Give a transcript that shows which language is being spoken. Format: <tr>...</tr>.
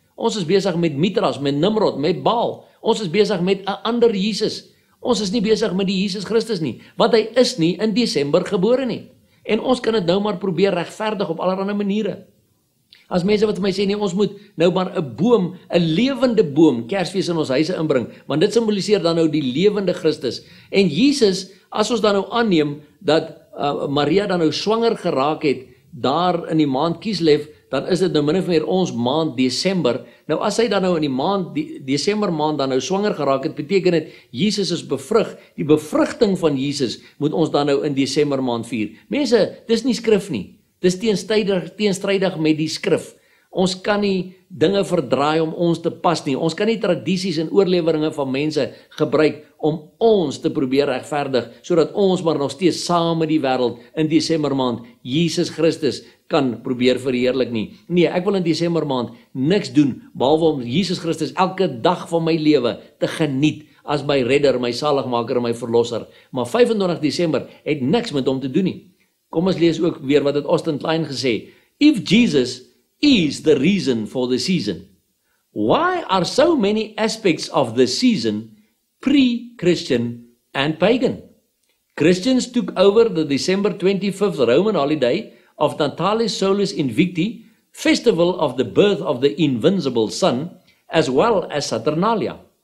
<af>Ons is besig met Mithras, met Nimrod, met Baal. Ons is besig met 'n ander Jesus. Ons is nie besig met die Jesus Christus nie, want hy is nie in Desember gebore nie. En ons kan dit nou maar probeer regverdig op allerlei maniere. As mense wat vir my sê, nee, ons moet nou maar 'n boom, 'n lewende boom, Kersfees in ons huise inbring, want dit simboliseer dan nou die lewende Christus. En Jesus, as ons dan nou aanneem, dat Maria dan nou swanger geraak het, daar in die maand Kislev, dan is dit nou min of meer ons maand Desember. Nou as hy dan nou in die maand, die Desember maand, dan nou swanger geraak het, beteken dit, Jesus is bevrug. Die bevrugting van Jesus moet ons dan nou in Desember maand vier. Mense, dis nie skrif nie. Dis teenstrijdig met die skrif. Ons kan nie dinge verdraai om ons te pas nie. Ons kan nie tradisies en oorleweringe van mense gebruik om ons te probeer regverdig, sodat ons maar nog steeds saam met die wêreld in Desember maand Jesus Christus kan probeer verheerlik nie. Nee, ek wil in Desember maand niks doen behalwe om Jesus Christus elke dag van my lewe te geniet as my redder, my saligmaker en my verlosser. Maar 25 Desember het niks met hom te doen nie. Kom ons lees ook weer wat het Austin Kleen gesê.</af> <en>If Jesus is the reason for the season, why are so many aspects of the season pre-Christian and pagan? Christians took over the December 25th Roman holiday of Natalis Solis Invicti, festival of the birth of the invincible sun, as well as Saturnalia.</en>